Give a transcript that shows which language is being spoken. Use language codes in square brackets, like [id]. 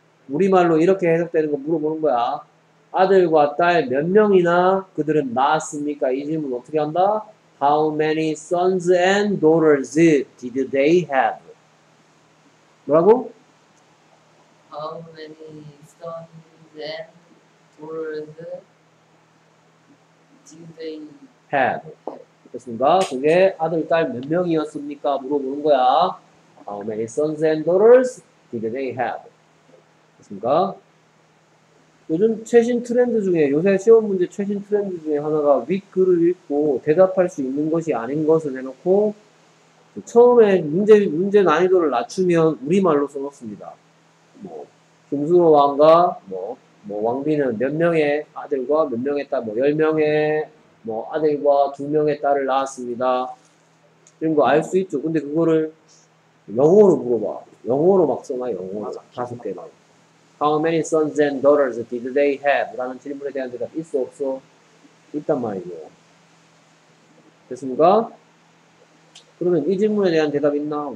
[ko] 우리말로 이렇게 해석되는 거 물어보는 거야. 아들과 딸 몇 명이나 그들은 낳았습니까? 이 질문 어떻게 한다? [en] How many sons and daughters did they have? [ko] 뭐라고? [en] How many sons and daughters did they have? 됐습니까? [ko] 그게 아들, 딸 몇 명이었습니까? 물어보는 거야. [en] How many sons and daughters did they have? [ko] 됐습니까? 요즘 최신 트렌드 중에, 요새 시험 문제 최신 트렌드 중에 하나가 윗글을 읽고 대답할 수 있는 것이 아닌 것을 해놓고 처음에 문제 난이도를 낮추면 우리말로 써놓습니다. 뭐. 금수로 왕과 뭐 왕비는 몇 명의 아들과 몇 명의 딸, 뭐 10명의 뭐 아들과 2명의 딸을 낳았습니다. 이런 거 알 수 있죠. 근데 그거를 영어로 물어봐. 영어로 막 써놔. 영어로 다섯 개 막. [en] How many sons and daughters did they have? [ko] 라는 질문에 대한 대답 있어 없어? 있단 말이죠. 됐습니까? 그러면 이 질문에 대한 대답 있나?